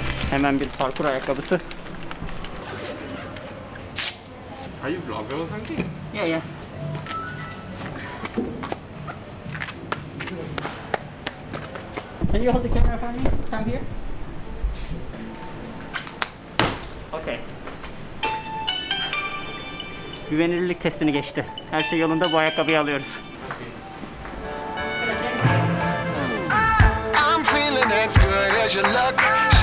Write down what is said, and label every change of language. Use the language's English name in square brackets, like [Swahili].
[Turkish] Hemen bir parkur ayakkabısı. [English] Are you vlogger or something? Yeah, yeah. Can you hold the camera for me? Come here. Okay. [Turkish] Güvenilirlik testini geçti. Her şey yolunda, bu ayakkabıyı alıyoruz. [English] I'm feeling as good as your luck.